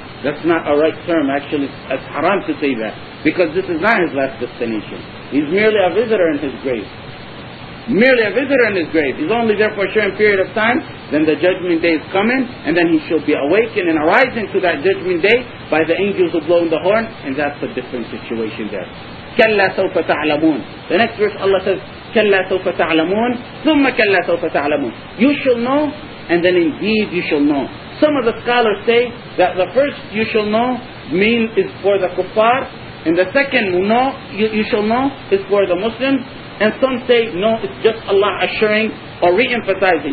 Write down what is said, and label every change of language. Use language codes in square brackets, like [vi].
[en] That's not a right term. Actually, it's haram to say that. Because this is not his last destination. He's merely a visitor in his grave. Merely a visitor in his grave. He's only there for a short period of time. Then the judgment day is coming. And then he shall be awakened and arising to that judgment day by the angels who blow in the horn. And that's a different situation there. [ar] كَلَّا سَوْفَ تَعْلَمُونَ. [en] The next verse Allah says, [ar] كَلَّا سَوْفَ تَعْلَمُونَ ثُمَّ كَلَّا سَوْفَ تَعْلَمُونَ. [en] You shall know, and then indeed you shall know. Some of the scholars say that the first you shall know mean is for the kuffar, and the second you shall know is for the Muslims. And some say, no, it's just Allah assuring or re-emphasizing.